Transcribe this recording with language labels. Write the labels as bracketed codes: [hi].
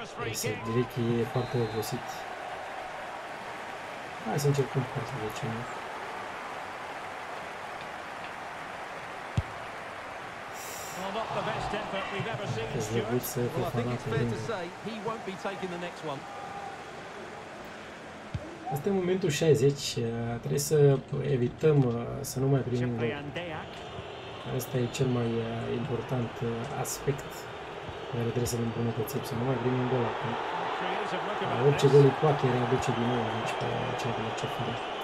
[ro] Este direct că e foarte obosit. Hai să încercăm cu partea de ce nu. [en] Well, not the best effort we've ever seen. Well, I think it's fair to say he won't be taking the next one. [ro] Asta e momentul 60. Trebuie să evităm să nu mai primim gol. Asta e cel mai important aspect care trebuie să-l îmbunătățim, să nu mai primim gol acum. Orice gol îi poate readuce din nou aici pe cea de la Cefale.